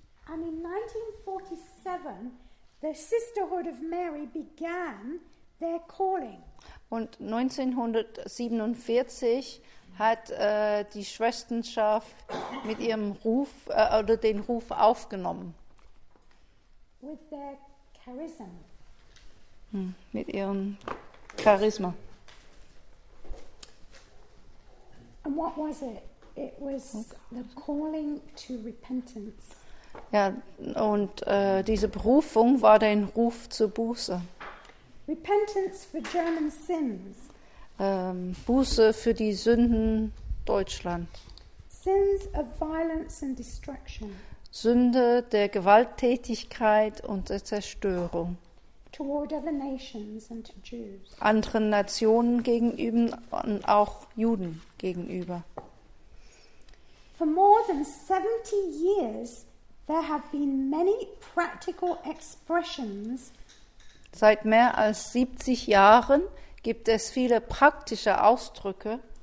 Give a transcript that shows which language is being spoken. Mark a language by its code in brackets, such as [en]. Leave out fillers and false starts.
[en] And in 1947 the Sisterhood of Mary began their calling. [de] Und 1947 hat die Schwesternschaft mit ihrem Ruf oder den Ruf aufgenommen. [en] With their charism. [de] Mit ihrem Charisma. [en] And what was it? It was the calling to repentance. [de] Ja, und diese Berufung war der Ruf zur Buße. [en] Repentance for German sins. [de] Buße für die Sünden Deutschlands. [en] sins of violence and destruction. [de] Sünde der Gewalttätigkeit und der Zerstörung. [en] Toward other nations and to Jews. [de] Anderen Nationen gegenüber und auch Juden gegenüber. [en] For more than 70 years, there have been many practical expressions. [de] Seit mehr als 70 Jahren gibt es viele praktische Ausdrücke.